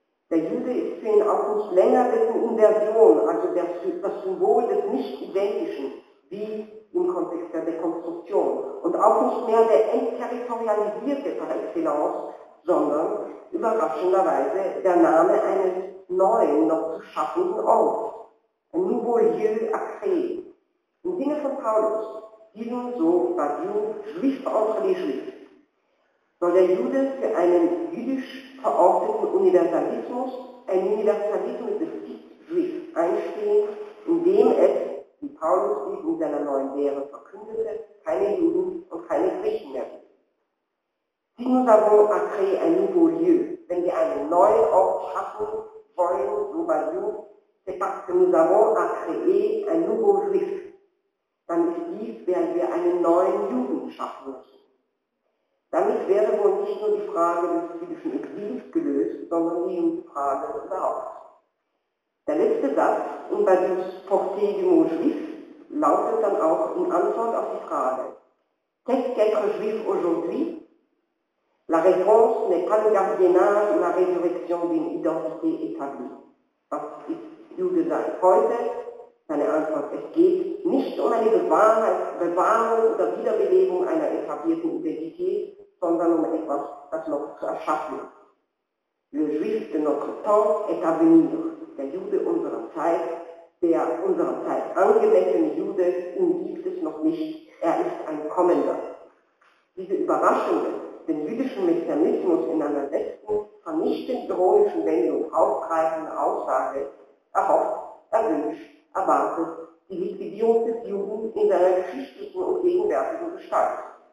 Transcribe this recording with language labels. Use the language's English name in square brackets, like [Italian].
[German] Der Jude ist für ihn auch nicht länger dessen Inversion, also das Symbol des Nicht-Identischen, wie im Kontext der Dekonstruktion. Und auch nicht mehr der entterritorialisierte par excellence, sondern überraschenderweise der Name eines neuen, noch zu schaffenden Orts. [French] Ein nouveau lieu à créer. [German] Im Sinne von Paulus, diesem so Badiou, Juif entre les Juifs, soll der Jude für einen jüdisch verorteten Universalismus, ein Universalismus des Juif einstehen, indem es, wie Paulus dies in seiner neuen Lehre verkündete, keine Juden und keine Griechen mehr gibt. [French] Si nous avons à créer un nouveau lieu, [German] wenn wir einen neuen Ort schaffen wollen, so Badiou, [French] c'est parce que nous avons à créer un nouveau juif. [German] Dann ist dies, während wir einen neuen Juden schaffen müssen. Damit wäre wohl nicht nur die Frage des jüdischen Exils gelöst, sondern eben die Frage überhaupt. Der letzte Satz in Badiou's Portée du mot juif lautet dann auch in Antwort auf die Frage, [French] qu'est-ce qu'être juif aujourd'hui? La réponse n'est pas le gardiennage ou la résurrection d'une identité établie. [German] Was ist Jude sein heute? Seine Antwort, es geht nicht um eine Bewahrung oder Wiederbelebung einer etablierten Identität, sondern um etwas, das noch zu erschaffen ist. [French] Le Juif de notre temps est à venir. [German] Der Jude unserer Zeit, der unserer Zeit angemessene Jude, ihn gibt es noch nicht. Er ist ein Kommender. Diese Überraschungen, den jüdischen Messianismus in einer letzten, vernichtend ironischen Wendung aufgreifende Aussage erhofft, erwünscht, erwartet die Liquidierung des Juden in seiner geschichtlichen und gegenwärtigen Gestalt.